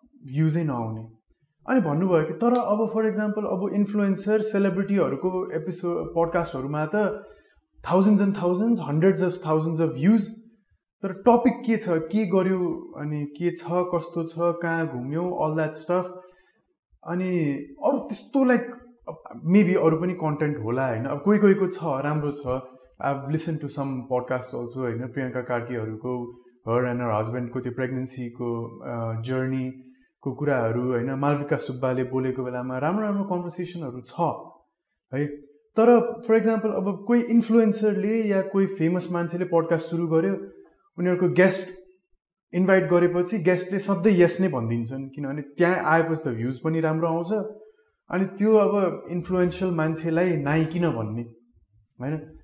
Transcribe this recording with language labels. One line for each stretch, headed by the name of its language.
Nepali: भ्युजै नआउने अनि भन्नुभयो कि तर अब फर इक्जाम्पल अब इन्फ्लुएन्सर सेलिब्रिटीहरूको एपिसोड पडकास्टहरूमा त thousands and thousands hundreds of thousands of views तर टपिक के छ के गर्यो अनि के छ कस्तो छ कहाँ घुम्यो अल द्याट स्टफ अनि अरू त्यस्तो लाइक मेबी अरू पनि कन्टेन्ट होला होइन अब कोही कोहीको छ राम्रो छ
English: I've listened to some podcasts also, you know, Priyanka Karki, her and her husband, the pregnancy journey,
Nepali: को कुराहरू होइन मालविका सुब्बाले बोलेको बेलामा राम्रो राम्रो कन्भर्सेसनहरू छ है. तर फर इक्जाम्पल अब कोही इन्फ्लुएन्सरले या कोही फेमस मान्छेले पडकास्ट सुरु गर्यो, उनीहरूको गेस्ट इन्भाइट गरेपछि गेस्टले सधैँ यस नै भनिदिन्छन् किनभने त्यहाँ आएपछि त भ्युज पनि राम्रो आउँछ अनि त्यो अब इन्फ्लुएन्सियल मान्छेलाई नाइकिन भन्ने होइन.